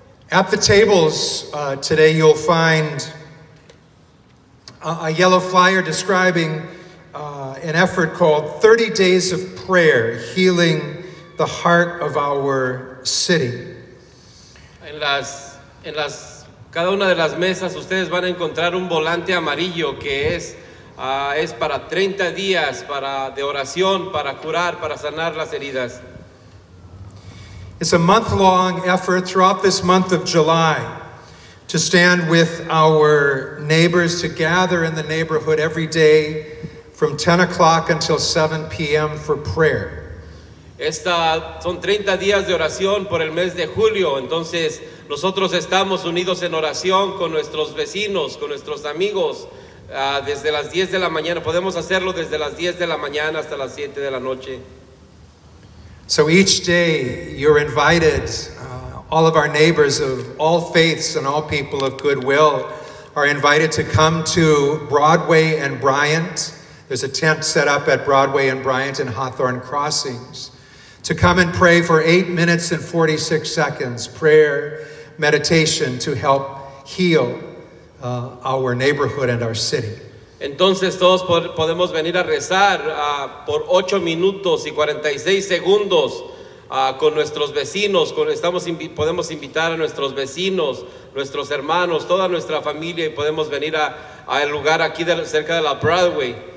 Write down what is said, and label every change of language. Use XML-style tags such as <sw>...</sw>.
<en>At the tables today, you'll find a yellow flyer describing an effort called 30 Days of Prayer, Healing the Heart of Our City.</en> <es>En las cada una de las mesas, ustedes van a encontrar un volante amarillo que es para 30 días de oración para curar, para sanar las heridas.</es> <en>It's a month-long effort throughout this month of July to stand with our neighbors, to gather in the neighborhood every day from 10 o'clock until 7 p.m. for prayer.</en> <es>Son 30 días de oración por el mes de julio. Entonces, nosotros estamos unidos en oración con nuestros vecinos, con nuestros amigos, desde las 10 de la mañana. Podemos hacerlo desde las 10 de la mañana hasta las 7 de la noche.</es> <en>So each day you're invited, all of our neighbors of all faiths and all people of goodwill are invited to come to Broadway and Bryant. There's a tent set up at Broadway and Bryant in Hawthorne Crossings to come and pray for 8 minutes and 46 seconds, prayer, meditation to help heal our neighborhood and our city.</en> <es>Entonces todos podemos venir a rezar por 8 minutos y 46 segundos con nuestros vecinos, podemos invitar a nuestros vecinos, nuestros hermanos, toda nuestra familia y podemos venir a el lugar aquí cerca de la Broadway.</es>